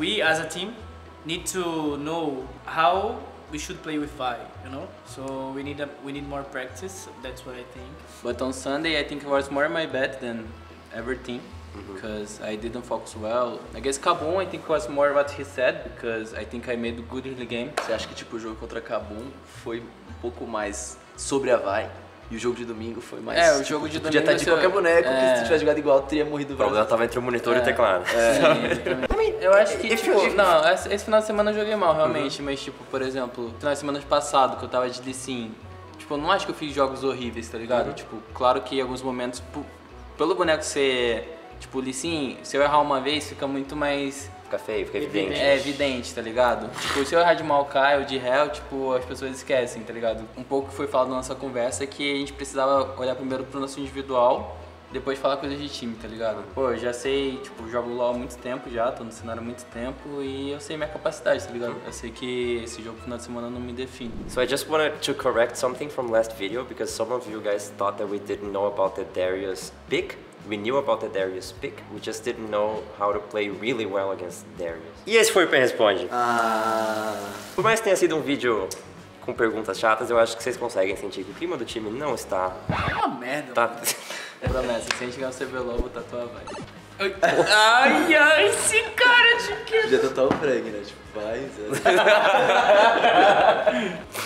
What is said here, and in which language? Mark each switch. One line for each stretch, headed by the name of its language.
English: We, as a team, need to know how we should play with Vi, you know? So we need more practice. That's what I think. But on Sunday, I think it was more my bet than everything. Because I didn't focus well. I guess KABUM, I think was more what he said, because I think I made good in the game.
Portuguese: Você acha que tipo, o jogo contra KABUM foi um pouco mais sobre a vibe? E o jogo de domingo foi mais... É, o jogo tipo, de domingo... Podia estar de qualquer boneco, que se tu tivesse jogado igual, teria morrido. O problema tava entre o monitor e o teclado. É, sim, eu acho que tipo... Não, esse final de semana eu joguei mal, realmente. Mas tipo, por exemplo, final de semana passado, que eu tava de Lee Sin. Tipo, eu não acho que eu fiz jogos horríveis, tá ligado? Tipo, claro que em alguns momentos, pelo boneco ser... Tipo, Lee Sin, se eu errar uma vez, fica muito mais... Fica feio, fica evidente. É evidente, tá ligado? Tipo, se eu errar de Maokai ou de Hell, tipo, as pessoas esquecem, tá ligado? Um pouco que foi falado na nossa conversa é que a gente precisava olhar primeiro pro nosso individual, depois falar coisas de time, tá ligado? Pô, eu já sei, tipo, jogo LoL há muito tempo já, tô no cenário há muito tempo e eu sei minha capacidade, tá ligado? Eu sei que esse jogo final de semana não me define.
English: So I just wanted to correct something from last video, because some of you guys thought that we didn't know about the Darius pick. We knew about the Darius pick, we just didn't know how to play really well against Darius.
Portuguese: E esse foi o Pen Responde. Por mais que tenha sido um vídeo com perguntas chatas, eu acho que vocês conseguem sentir que o clima do time não está... É uma merda, tá... Promessa, se a gente ganhar o CBLOL, eu vou tatuar a vibe. Ai, ai, esse cara de que... Podia tatuar o Frank, né? Tipo, faz...